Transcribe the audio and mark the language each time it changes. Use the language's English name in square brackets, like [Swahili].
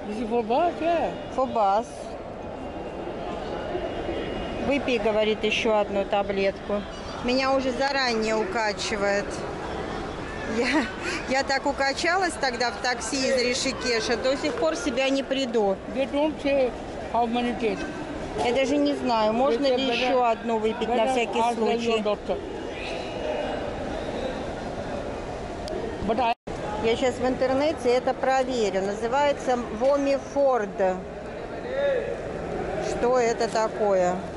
[English] Is it for bus? Yeah. For bus. [Russian] Выпей, говорит, еще одну таблетку. Меня уже заранее укачивает. Я так укачалась тогда в такси из Ришикеша, до сих пор себя не приду. [English] They don't say how many days. [Russian] Я даже не знаю, можно ли еще одну выпить на всякий случай. Я сейчас в интернете это проверю. Называется Vomiford. Что это такое?